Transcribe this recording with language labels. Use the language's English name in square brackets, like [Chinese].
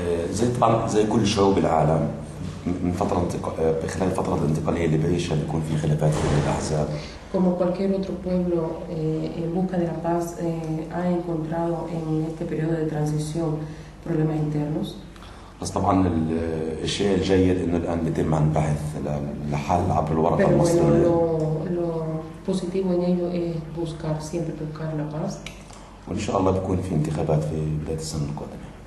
[Arabic] زي طبعا زي كل شعوب العالم من فترة خلال الفترة الانتقالية اللي بعيشها بيكون في خلافات بين الأحزاب. [Spanish] Como cualquier otro pueblo en busca de la paz ha encontrado en este periodo de transición problemas internos. [Arabic] بس طبعا الشيء الجيد انه الان بيتم عن بحث لحل عبر الورقه المصريه. [Spanish] Bueno, lo positivo en ello es buscar, siempre buscar la paz. [Arabic] وان شاء الله بكون في انتخابات في بدايه السنه القادمه.